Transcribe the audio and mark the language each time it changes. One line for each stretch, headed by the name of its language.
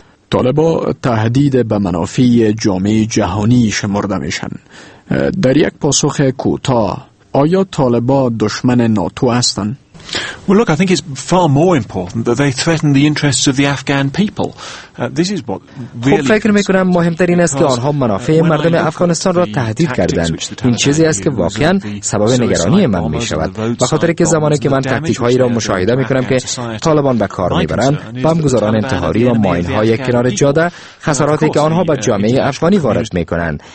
Persian: طالبا تهدید به منافع جامعه جهانی شمرده میشن. در یک پاسخ کوتاه، آیا طالبا دشمن ناتو هستند؟
English: Well, look. I think it's far more important that they threaten the interests of the Afghan people. This is what really.
Persian: خوب فکر میکنم مهمترین است که آنها منافع مردم افغانستان را تهدید کردند. این چیزی است که واقعاً سبب نگرانی من میشود. با خاطر که زمانی که من تاکتیک‌هایی را مشاهده میکنم که طالبان به کار میبرند، بمب‌گذاران انتحاری و ماین‌های کنار جاده، خساراتی که آنها به جامعه افغانی وارد میکنند.